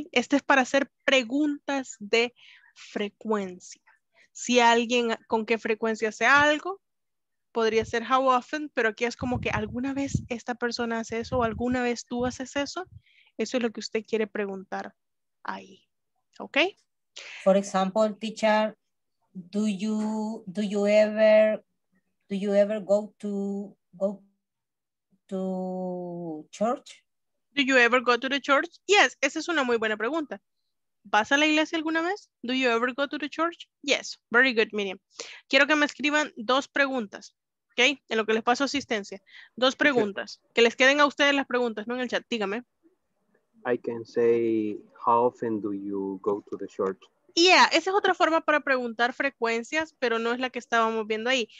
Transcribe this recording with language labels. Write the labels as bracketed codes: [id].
[es] Este es para hacer preguntas de frecuencia. Si alguien, ¿con qué frecuencia hace algo? Podría ser [en] how often, [es] pero aquí es como que ¿alguna vez esta persona hace eso? ¿O alguna vez tú haces eso? Eso es lo que usted quiere preguntar ahí. Ok. [en] For example, teacher, do you ever go to church? Do you ever go to the church? Yes, [es] esa es una muy buena pregunta. ¿Vas a la iglesia alguna vez? [en] Do you ever go to the church? Yes, very good, Miriam. [es] Quiero que me escriban dos preguntas, ¿ok? En lo que les paso asistencia. Dos preguntas. Que les queden a ustedes las preguntas, no en el chat. Dígame. [en] I can say, how often do you go to the church? [es] Yeah, esa es otra forma para preguntar frecuencias, pero no es la que estábamos viendo ahí.